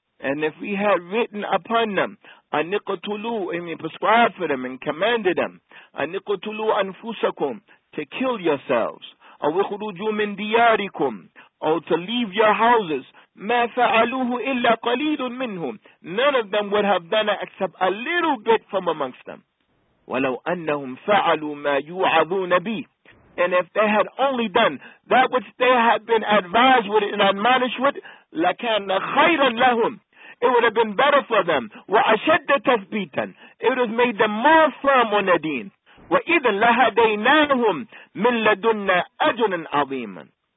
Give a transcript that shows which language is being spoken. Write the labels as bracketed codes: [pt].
[en] And if we had written upon them [ar] أن قتلوا, [en] I mean prescribed for them and commanded them [ar] أن قتلوا أنفسكم, [en] to kill yourselves, [ar] أو خرجوا من دياركم, [en] or to leave your houses, [ar] ما فعلوه إلا قليل منهم, [en] none of them would have done it except a little bit from amongst them. [ar] ولو أنهم فعلوا ما يوعظون به. [en] And if they had only done that which they had been advised with and admonished with, [ar] لَكَانَ خَيْرًا لَهُمْ. [en] it would have been better for them. [ar] وَأَشَدَّ تَثْبِيتًا. [en] It would have made them more firm on their deen. [ar] وَإِذًا لَهَدَيْنَاهُمْ مِنْ لَدُنَّا أَجْرًا عَظِيمًا.